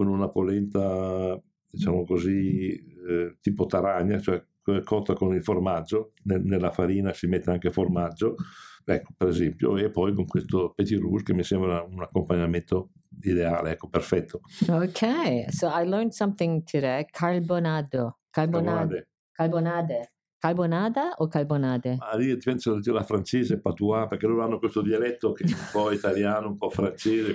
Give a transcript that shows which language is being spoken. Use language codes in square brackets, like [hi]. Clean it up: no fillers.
[it] polenta, diciamo così, tipo taragna, cioè cotta con il formaggio, nella farina si mette anche formaggio, ecco, per esempio, e poi con questo Petit Rouge che mi sembra un accompagnamento ideale, ecco, perfetto. [en] Ok, so I learned something today, carbonade? [it] Ma lì penso alla francese, patois, perché loro hanno questo dialetto che è un po' italiano, un po' francese.